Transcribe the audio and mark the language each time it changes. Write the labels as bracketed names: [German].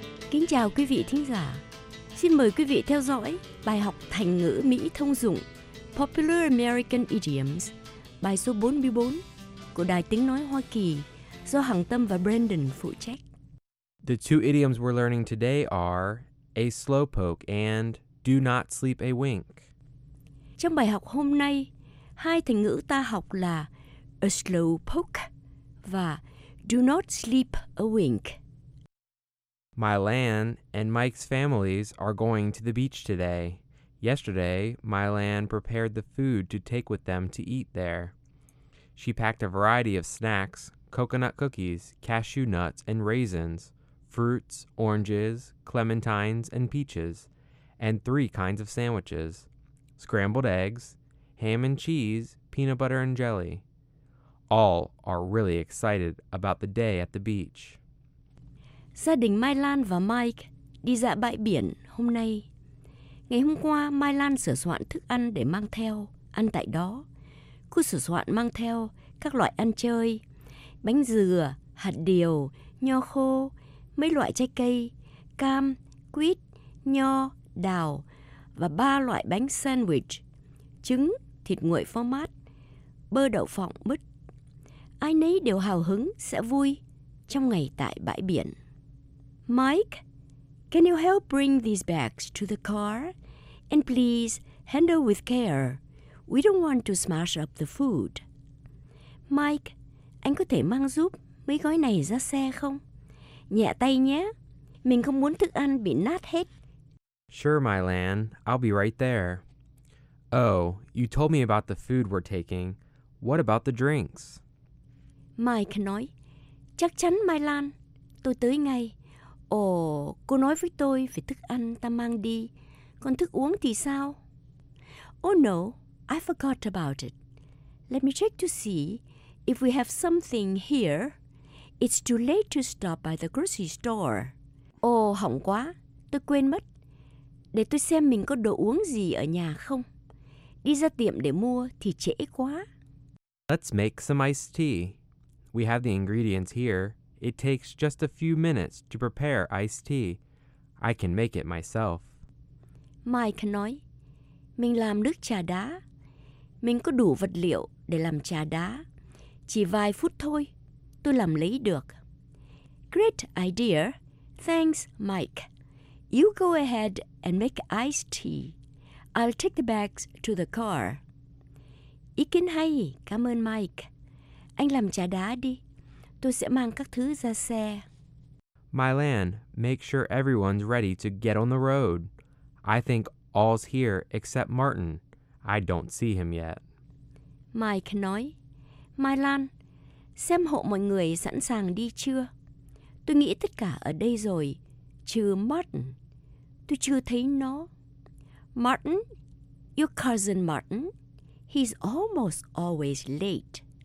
[Vietnamese] Kính chào quý vị thính giả. Xin mời quý vị theo dõi bài học thành ngữ Mỹ thông dụng Popular American Idioms, bài số 44 của Đài Tiếng Nói Hoa Kỳ do Hằng Tâm và Brandon phụ trách. [English] The two idioms we're learning today are a slowpoke and do not sleep a wink. [Vietnamese] Trong bài học hôm nay, hai thành ngữ ta học là [English] a slowpoke [Vietnamese] và [English] do not sleep a wink. Mylan and Mike's families are going to the beach today. Yesterday, Mylan prepared the food to take with them to eat there. She packed a variety of snacks, coconut cookies, cashew nuts and raisins, fruits, oranges, clementines and peaches, and three kinds of sandwiches, scrambled eggs, ham and cheese, peanut butter and jelly. All are really excited about the day at the beach. [Vietnamese] Gia đình Mai Lan và Mike đi dạo bãi biển hôm nay. Ngày hôm qua, Mai Lan sửa soạn thức ăn để mang theo, ăn tại đó. Cô sửa soạn mang theo các loại ăn chơi, bánh dừa, hạt điều, nho khô, mấy loại trái cây, cam, quýt, nho, đào và ba loại bánh sandwich, trứng, thịt nguội phô mát, bơ đậu phộng, mứt. Ai nấy đều hào hứng sẽ vui trong ngày tại bãi biển. [English] Mike, can you help bring these bags to the car? And please, handle with care. We don't want to smash up the food. [Vietnamese] Mike, anh có thể mang giúp mấy gói này ra xe không? Nhẹ tay nhé. Mình không muốn thức ăn bị nát hết. [English] Sure, Mylan. I'll be right there. Oh, you told me about the food we're taking. What about the drinks? [Vietnamese] Mike nói, chắc chắn, Mylan. Tôi tới ngay. Ồ, cô nói với tôi về thức ăn ta mang đi. Còn thức uống thì sao? [English] Oh no, I forgot about it. Let me check to see if we have something here. It's too late to stop by the grocery store. [Vietnamese] Ồ, hỏng quá. tôi quên mất. Để tôi xem mình có đồ uống gì ở nhà không. Đi ra tiệm để mua thì trễ quá. [English] Let's make some iced tea. We have the ingredients here. It takes just a few minutes to prepare iced tea. I can make it myself. [Vietnamese] Mike nói, mình làm nước trà đá. Mình có đủ vật liệu để làm trà đá. Chỉ vài phút thôi, tôi làm lấy được. [English] Great idea. Thanks, Mike. You go ahead and make iced tea. I'll take the bags to the car. [Vietnamese] Ý kiến hay. Cảm ơn, Mike. Anh làm trà đá đi. Tôi sẽ mang các thứ ra xe. [English] Mylan, make sure everyone's ready to get on the road. I think all's here except Martin. I don't see him yet. [Vietnamese] Mike nói, Mylan, xem hộ mọi người sẵn sàng đi chưa? Tôi nghĩ tất cả ở đây rồi, trừ Martin. Tôi chưa thấy nó. [English] Martin, your cousin Martin, he's almost always late.